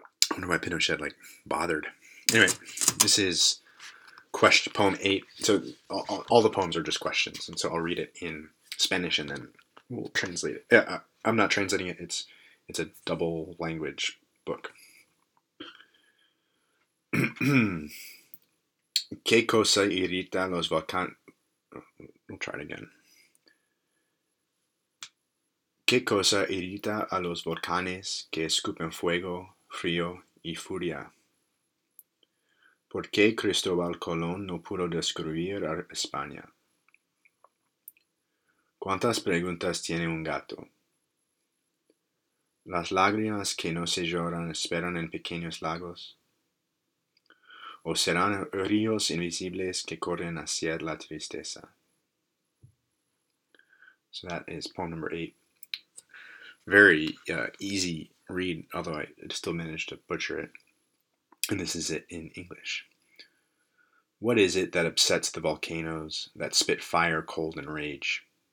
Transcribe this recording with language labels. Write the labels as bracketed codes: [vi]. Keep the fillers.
[en] I wonder why Pinochet like bothered. Anyway, this is question poem eight. So all- all, all the poems are just questions, and so I'll read it in Spanish and then we'll translate it. Yeah, I, I'm not translating it. It's it's a double language book. [es] ¿Qué cosa irrita los vacan... [en] We'll try it again. [es] ¿Qué cosa irrita a los volcanes que escupen fuego, frío y furia? ¿Por qué Cristóbal Colón no pudo descubrir a España? ¿Cuántas preguntas tiene un gato? ¿Las lágrimas que no se lloran esperan en pequeños lagos? o serán ríos invisibles que corren hacia la tristeza. [en] So that is poem number eight. Very uh, easy read, although I still managed to butcher it. And this is it in English. What is it that upsets the volcanoes, that spit fire, cold, and rage?